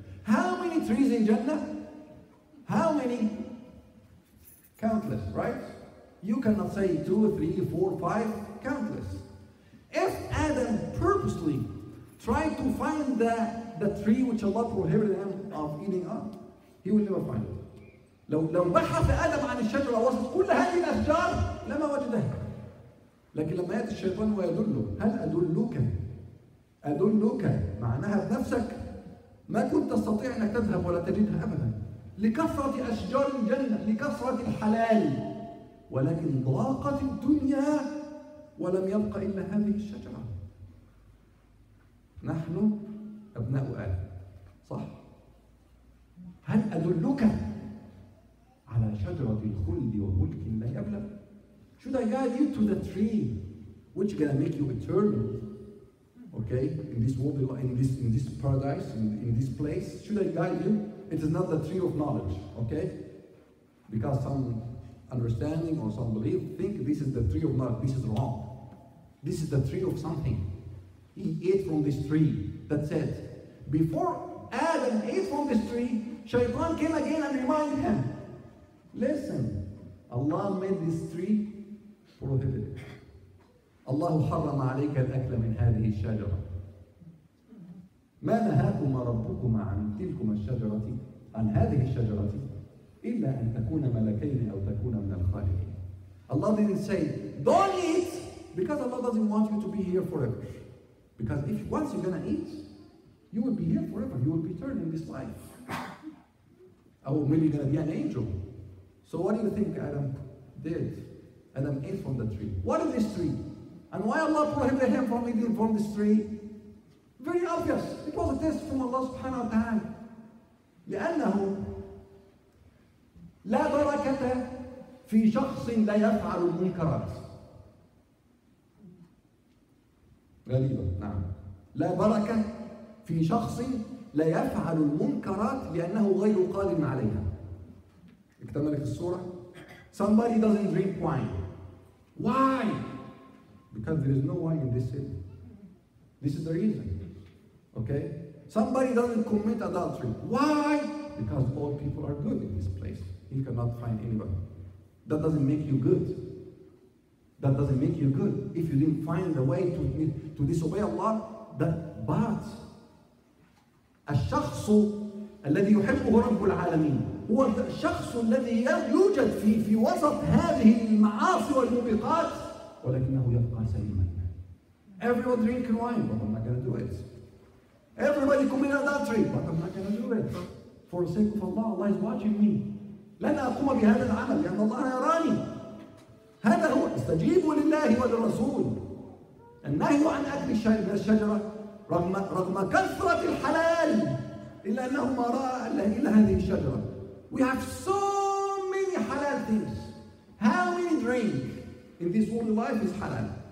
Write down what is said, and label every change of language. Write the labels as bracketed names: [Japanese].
[English] How many trees in Jannah? How many? Countless, right? You cannot say 2, 3, 4, 5, countless. If Adam purposely tried to find the tree which Allah prohibited him of eating up, he will never find it. [Arabic] لو بحث آدم عن الشجرة وسط كل هذه الأشجار لما وجدها. لكن لما يأتي الشيطان ويدله هل أدلك؟ أدلك معناها بنفسك ما كنت تستطيع أن تذهب ولا تجدها أبدا لكثرة أشجار الجنة لكثرة الحلال ولكن ضاقت الدنيا ولم يبق إلا هذه الشجرة. نحن أبناء آدم صح؟ هل أدلك على شجرة الخلد وملك لا يبلى؟ [English] Should I guide you to the tree which is gonna make you eternal? Okay, in this world, in this paradise, in this place, should I guide you? It is not the tree of knowledge, okay? Because some understanding or some belief think this is the tree of knowledge. This is wrong. This is the tree of something. He ate from this tree. That's it. Before Adam ate from this tree, Shaitan came again and reminded him. Listen, Allah made this tree prohibited. [Arabic] Allah حرم عليك الأكل من هذه الشجرة. ما نهاكم ربكم عن تلكم الشجرة عن هذه الشجرة إلا أن تكون ملكين أو تكون من الخالقين. [English] Allah didn't say, don't eat, because Allah doesn't want you to be here forever. Because if once you're gonna eat, you will be here forever. You will be turned in this life. Or maybe you're gonna be an angel. So what do you think Adam did? Adam ate from the tree. What is this tree? And why Allah prohibited him from eating from this tree? Very obvious. It was a test from Allah subhanahu wa ta'ala. [Arabic] لأنه لا بركة في شخص لا يفعل المنكرات. غريبة. نعم. لا بركة في شخص لا يفعل المنكرات لأنه غير قادم عليها. اكتملت الصورة. [English] Somebody doesn't drink wine. Why? Because there is no wine in this city. This is the reason. Okay? Somebody doesn't commit adultery. Why? Because all people are good in this place. You cannot find anybody. That doesn't make you good. That doesn't make you good. If you didn't find a way to disobey Allah, but [Arabic] الشخص الذي يحبه رب العالمين هو الشخص الذي يوجد في وسط هذه المعاصي والموبقات ولكنه يبقى سليما. [English] Everyone drinking wine, but I'm not gonna do it. Everybody committing adultery, but I'm not gonna do it. For the sake of Allah, Allah is watching me. [Arabic] لن أقوم بهذا العمل لأن الله يراني. هذا هو استجيبوا لله وللرسول. النهي عن أكل الشجرة رغم كثرة الحلال إلا أنه ما رأى إلا هذه الشجرة. [English] We have so many halal things. How many drink in this world of life is halal?